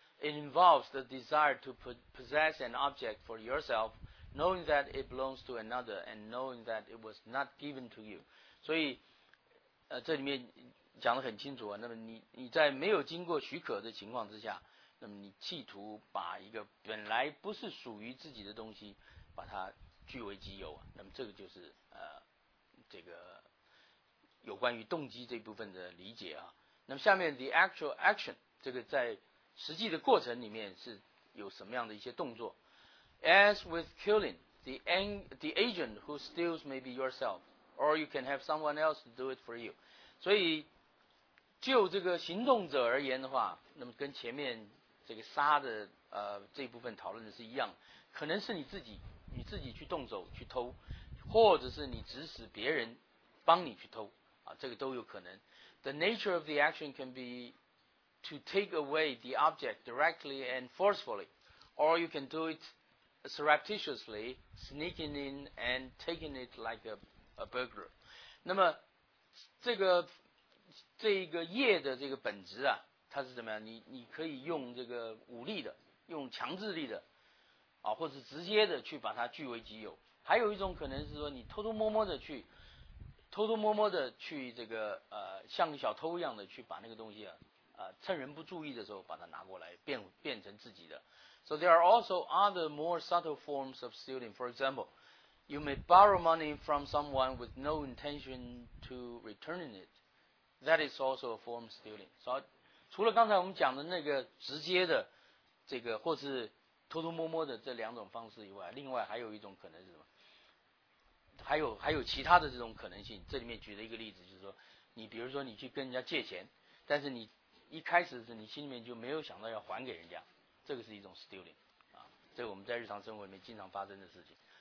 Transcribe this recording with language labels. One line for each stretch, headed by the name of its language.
English: It involves the desire to possess an object for yourself, knowing that it belongs to another, and knowing that it was not given to you.
Chinese: 所以，这里面讲得很清楚啊。那么你在没有经过许可的情况之下，那么你企图把一个本来不是属于自己的东西，把它据为己有啊。那么这个就是这个有关于动机这部分的理解啊。那么下面
English: the actual action
Chinese: 这个在实际的过程里面是有什么样的一些动作
English: ？As with killing, the agent who steals may be yourself, or you can have someone else to do it for you.
Chinese: 所以，就这个行动者而言的话，那么跟前面这个杀的这一部分讨论的是一样，可能是你自己去动手去偷，或者是你指使别人帮你去偷啊，这个都有可能。
English: The nature of the action can be. To take away the object directly and forcefully, or you can do it surreptitiously, sneaking in and taking it like a burglar.
Chinese: 那么，这个业的这个本质啊，它是怎么样？你可以用这个武力的，用强制力的，啊，或者直接的去把它据为己有。还有一种可能是说，你偷偷摸摸的去这个像个小偷一样的去把那个东西啊。趁人不注意的时候把它拿过来变成自己的。
English: So there are also other more subtle forms of stealing. For example, you may borrow money from someone with no intention to returning it. That is also a form of stealing.
Chinese: So, 除了刚才我们讲的那个直接的这个或是偷偷摸摸的这两种方式以外，另外还有一种可能是什么？还有其他的这种可能性。这里面举了一个例子，就是说你比如说你去跟人家借钱，但是你一开始是你心里面就没有想到要还给人家，这个是一种 stealing 啊，这个我们在日常生活里面经常发生的事情。